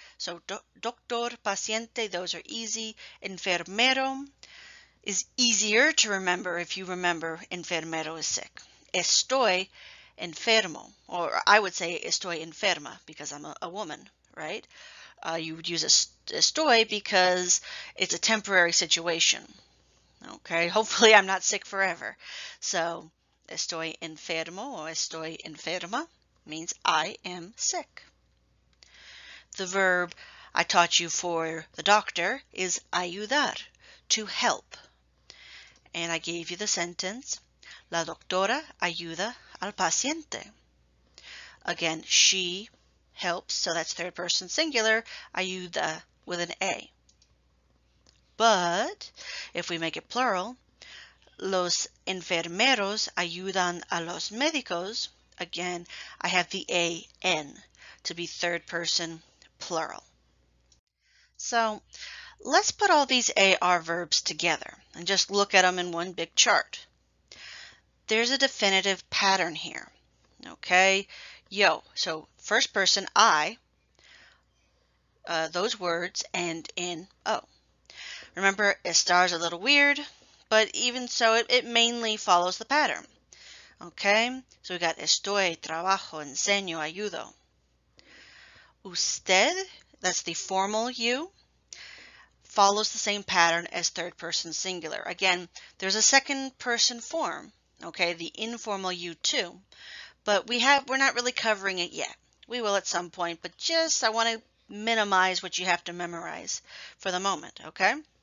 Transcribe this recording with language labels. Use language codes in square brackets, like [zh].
[en] So doctor, paciente, those are easy. Enfermero is easier to remember if you remember enfermero is sick. [es] Estoy enfermo, [en] or I would say [es] estoy enferma [en] because I'm a woman, right? You would use estoy because it's a temporary situation. Okay, hopefully I'm not sick forever. So [es] estoy enfermo [en] or [es] estoy enferma [en] means I am sick. The verb I taught you for the doctor is ayudar, to help. And I gave you the sentence, [es] la doctora ayuda al paciente. [en] Again, she helps, so that's third person singular, ayuda with an A. But if we make it plural, [es] los enfermeros ayudan a los médicos. [en] Again, I have the A-N to be third person plural. So let's put all these AR verbs together and just look at them in one big chart. There's a definitive pattern here. Okay, yo, so first person, I, those words end in O. Remember, estar is a little weird, but even so, it mainly follows the pattern. Okay, so we got [es] estoy, trabajo, enseño, ayudo. [en] Usted, that's the formal you, follows the same pattern as third person singular. Again, there's a second person form, okay, the informal you too, but we're not really covering it yet. We will at some point, but just I want to minimize what you have to memorize for the moment, okay?